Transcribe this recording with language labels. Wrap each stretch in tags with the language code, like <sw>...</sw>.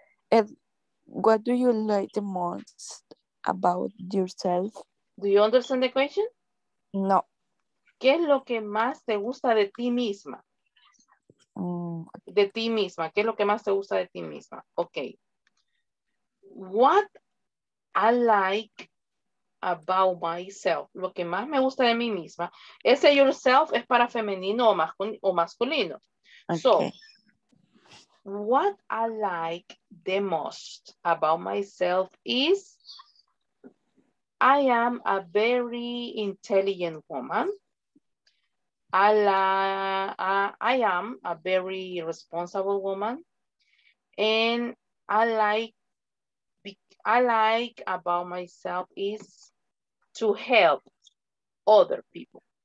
<en>And what do you like the most about yourself? Do you understand the question? No.</en> <es>¿Qué es lo que más te gusta de ti misma? De ti misma. ¿Qué es lo que más te gusta de ti misma? Okay.</es> <en>What I like about myself.</en> <es>Lo que más me gusta de mí misma. Ese yourself es para femenino o masculino. Okay.</es> <en>So, what I like the most about myself is I am a very intelligent woman. I am a very responsible woman, and I like about myself is to help other people.</en>